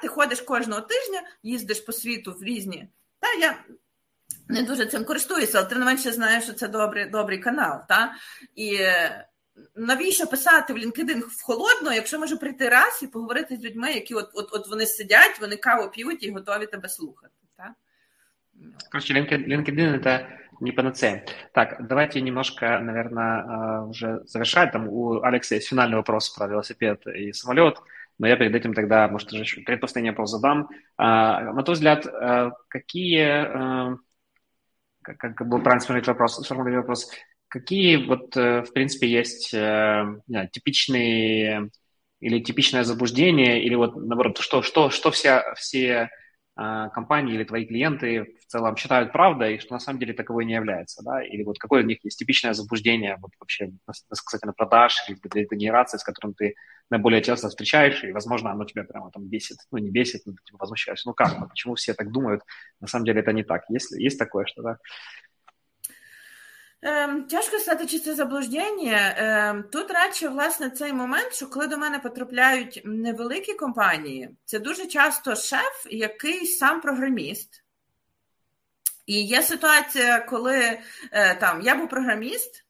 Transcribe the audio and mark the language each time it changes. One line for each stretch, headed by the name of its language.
Ukrainian: Ти ходиш кожного тижня, їздиш по світу в різні. Та я не дуже цим користуюся, але ти не менше знаєш, що це добрий канал. Та? І навіщо писати в LinkedIn в холодно, якщо можу прийти раз і поговорити з людьми, які от вони сидять, вони каву п'ють і готові тебе слухати. Та? Короче, LinkedIn – це не панацея.
Russian: Так, давайте немножко, наверное, уже завершать. Там у Алекса есть финальный вопрос про велосипед и самолет, но я перед этим тогда, может, уже предпоследний вопрос задам. На твой взгляд, какие, как бы правильно сформулировать вопрос, какие вот, в принципе, есть не знаю, типичные или типичное заблуждение, или вот, наоборот, что все компании или твои клиенты в целом считают правдой, что на самом деле таковой не является, да? Или вот какое у них есть типичное заблуждение вот вообще, касательно продаж или генерации, с которым ты наиболее часто встречаешь, и, возможно, оно тебя прямо там бесит, ну, не бесит, но типа возмущаешься, ну, как, ну, почему все так думают? На самом деле это не так. Есть такое что-то?
Ukrainian: Тяжко сказати, чи це заблуждення. Тут радше, власне, цей момент, що коли до мене потрапляють невеликі компанії, це дуже часто шеф, який сам програміст, І є ситуація, коли там я був програміст.